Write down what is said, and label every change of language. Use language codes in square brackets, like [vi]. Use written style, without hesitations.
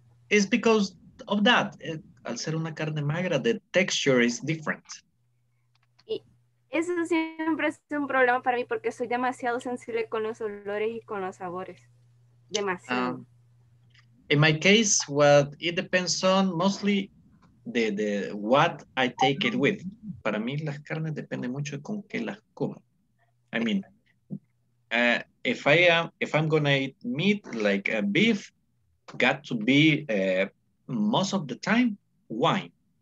[en] It's because of that. [es] Al ser una carne magra, [en] the texture is different. [es] Eso siempre es un problema para mí porque soy demasiado sensible con los olores y con los sabores. Demasiado. [en] In my case, it depends on mostly the what I take it with. [es] Para mí las carnes dependen mucho de con qué las como. [en] I mean, if I'm gonna eat meat like a beef, got to be most of the time wine.